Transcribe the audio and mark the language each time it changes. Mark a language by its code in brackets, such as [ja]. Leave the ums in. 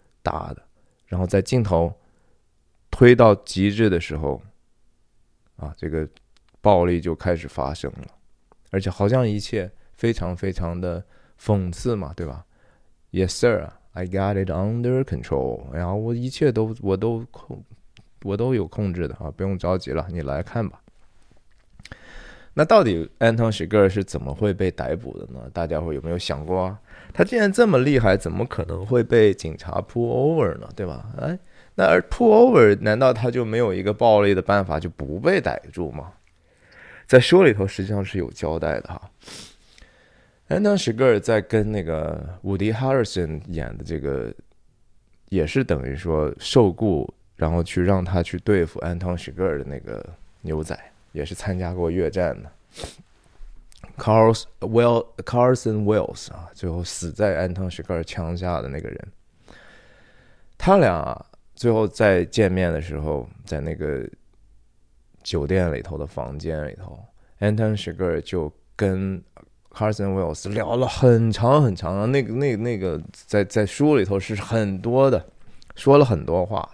[zh] 大的，然后在镜头推到极致的时候，啊，这个暴力就开始发生了，而且好像一切非常非常的讽刺嘛，对吧？ [en] Yes, sir, I got it under control。 [zh] 然后我一切都我都控，我都有控制的啊，不用着急了，你来看吧。那到底 Anton s h c h e r 是怎么会被逮捕的呢？大家伙有没有想过啊？他竟然这么厉害，怎么可能会被警察 pull over 呢？对吧？哎，那而 pull over，难道他就没有一个暴力的办法就不被逮住吗？在书里头实际上是有交代的哈。安汤·史格尔在跟那个伍迪·哈里森演的这个，也是等于说受雇，然后去让他去对付安汤·史格尔的那个牛仔，也是参加过越战的。 Carls w e l l c a r s o n Wells 啊，最后死在 Anton s r 枪下的那个人。他俩、啊、最后在见面的时候，在那个酒店里头的房间里头，Anton s r 就跟 Carson Wells 聊了很长很长，的，那个、那、那个，在在书里头是很多的，说了很多话。